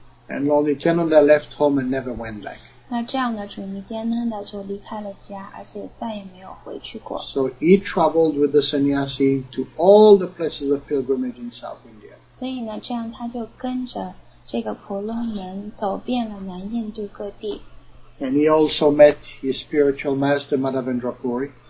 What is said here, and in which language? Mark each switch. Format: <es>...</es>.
<en>And Lord Nityananda left home and never went back.</en> <zh>那这样的, 主尼天呢, 就离开了家,</zh> <en>so he traveled with the sannyasi to all the places of pilgrimage in South India.</en> <zh>所以呢,</zh> <en>and he also met his spiritual master, Madhavendra Puri.</en>